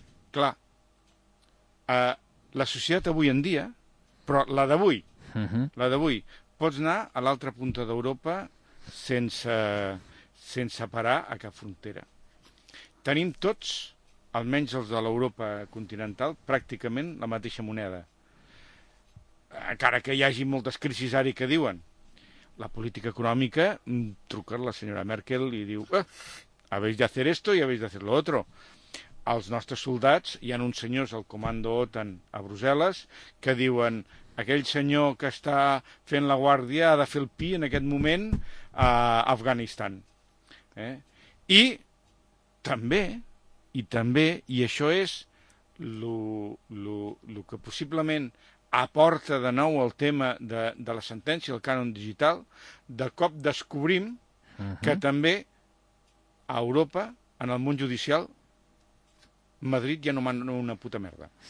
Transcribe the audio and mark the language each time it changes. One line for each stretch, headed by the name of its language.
Catalan: Clar, la societat avui en dia, però la d'avui, la d'avui, pots anar a l'altra punta d'Europa sense parar a cap frontera. Tenim tots, almenys els de l'Europa continental, pràcticament la mateixa moneda. Encara que hi hagi moltes crisis ara que diuen, la política econòmica truca la senyora Merkel i diu...
Spanish: Habéis de hacer esto y habéis de hacer lo otro.
Catalan: Els nostres soldats, hi ha uns senyors al comando OTAN a Brussel·les que diuen, aquell senyor que està fent la guàrdia ha de fer el pi en aquest moment a Afganistan. I també, i això és lo que possiblement aporta de nou el tema de la sentència, el cànon digital, de cop descobrim que també a Europa, en el món judicial, Madrid ja no mana una puta merda.